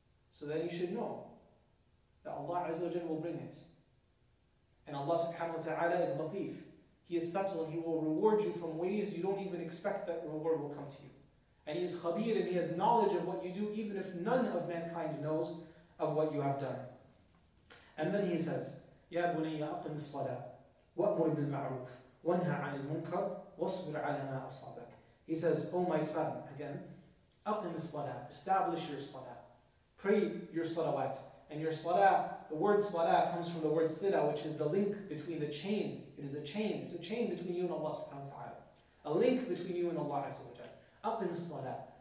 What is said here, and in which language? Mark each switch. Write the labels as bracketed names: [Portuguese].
[English] So then you should know that Allah Azza wa Jalla will bring it. And Allah subhanahu wa ta'ala is Latif. He is subtle and He will reward you from ways you don't even expect that reward will come to you. And He is Khabir and He has knowledge of what you do, even if none of mankind knows of what you have done. And then He says, [Arabic] يَا بُنَيَّ أَقِمِ الصَّلَاةِ وَأْمُرْ بِالْمَعْرُوفِ وَانْهَى عَنِ الْمُنْكَرِ وَاصْبِرْ عَلَى مَا أَصَابَكَ. [English] He says, oh my son, again, [Arabic] أَقِمِ الصَّلَاةِ, [English] establish your salah. Pray your salawat. And your salah, the word salah comes from the word sila, which is the link between the chain. It is a chain. It's a chain between you and Allah subhanahu wa ta'ala. A link between you and Allah azza wa jalla. Aqim salah.